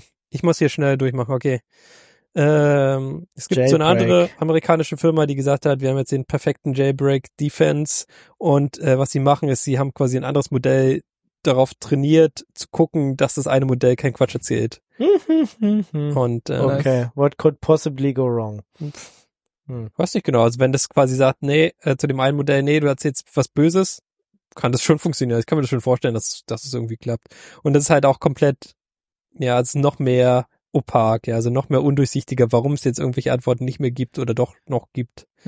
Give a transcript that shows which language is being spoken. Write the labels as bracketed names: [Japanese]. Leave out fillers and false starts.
[German] Ich muss hier schnell durchmachen, okay. Es gibt so eine andere amerikanische Firma, die gesagt hat, wir haben jetzt den perfekten Jailbreak Defense und was sie machen ist, sie haben quasi ein anderes Modell darauf trainiert, zu gucken, dass das eine Modell kein Quatsch erzählt. Und [English] okay, what could possibly go wrong? [German] Weiß nicht genau, also wenn das quasi sagt, nee, zu dem einen Modell, nee, du erzählst was Böses, kann das schon funktionieren. Ich kann mir das schon vorstellen, dass es irgendwie klappt. Und das ist halt auch komplett also noch mehr opak, also noch mehr undurchsichtiger, warum es jetzt irgendwelche Antworten nicht mehr gibt oder doch noch gibt.